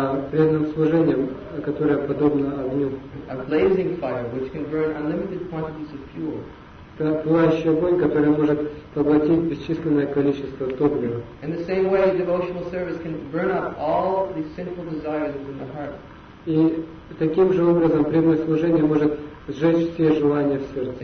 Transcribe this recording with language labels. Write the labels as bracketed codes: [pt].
[ru] Преданным служением, которое подобно огню. [en] A blazing fire which can burn unlimited quantities of fuel. [ru] Пылающий огонь, который может поглотить бесчисленное количество топлива. [en] In the same way, devotional service can burn up all the sinful desires in the heart. [ru] И таким же образом преданное служение может сжечь все желания в сердце.